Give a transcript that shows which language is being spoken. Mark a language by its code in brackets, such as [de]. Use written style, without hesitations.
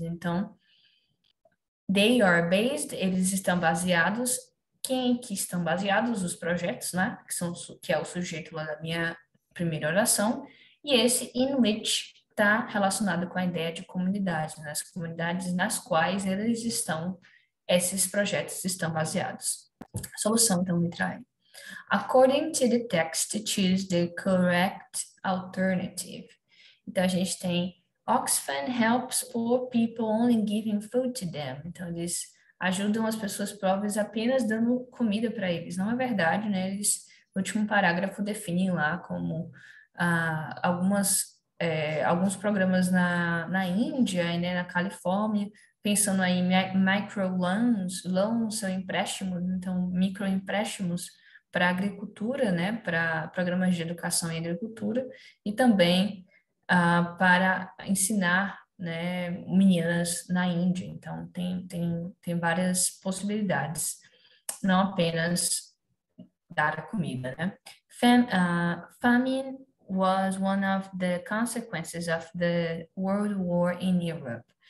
[pt] Então, [en] they are based, [pt] eles estão baseados, quem que estão baseados os projetos, né? Que é o sujeito lá da minha primeira oração. E esse in which está relacionado com a ideia de comunidade, né? As comunidades nas quais eles estão, esses projetos estão baseados. Solução, então, letra A. [en] According to the text, choose the correct alternative. [pt] Então, a gente tem [en] Oxfam helps poor people only giving food to them. [pt] Então, diz, ajudam as pessoas pobres apenas dando comida para eles. Não é verdade, né? Eles, no último parágrafo, definem lá como alguns programas na Índia, né? Na Califórnia, pensando aí em microloans são empréstimos, então microempréstimos para agricultura, né? Para programas de educação e agricultura, e também para ensinar, né, meninas na Índia. Então tem várias possibilidades, não apenas dar a comida, né? [en] Famine was one of the consequences of the World War in Europe.